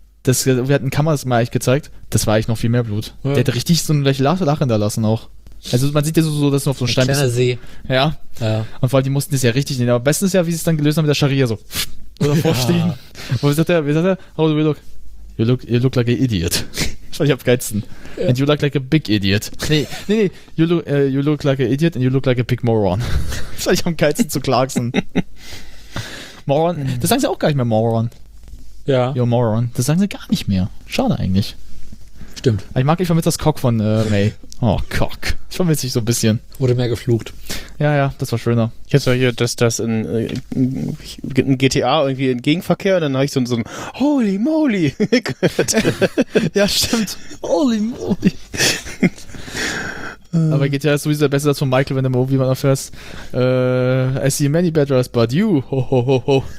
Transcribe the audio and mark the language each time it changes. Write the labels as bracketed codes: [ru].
[de] Wir hatten Kameras mal eigentlich gezeigt, das war eigentlich noch viel mehr Blut. Ja. Der hätte richtig so ein Lach hinterlassen auch. Also man sieht ja so, dass du auf so einem Stein bist. Ein kleiner See. Ja. Ja. Und vor allem, die mussten das ja richtig nehmen. Aber am besten ist ja, wie sie es dann gelöst haben mit der Scharia so. Oder vorstehen. Ja. Und wie sagt er? [en] How do we look? You look like an idiot. [de] Das fand ich am geilsten. Ja. [en] And you look like a big idiot. Nee. You look like an idiot and you look like a big moron. [de] Das fand ich am geilsten zu Clarkson. Moron. Das sagen sie auch gar nicht mehr, Moron. Ja. [en] You're moron. [de] Das sagen sie gar nicht mehr. Schade eigentlich. Stimmt. Aber ich mag nicht vermisst das Cock von May. Oh, Cock. Ich vermisse dich so ein bisschen. Wurde mehr geflucht. Ja, das war schöner. Ich hatte so hier, dass das in GTA irgendwie in Gegenverkehr und dann habe ich so ein Holy Moly gehört. Ja, stimmt. Holy Moly. Aber GTA ist sowieso der beste Satz von Michael, wenn du mal irgendwie mal erfährst. [en] I see many bedrocks, but you, ho.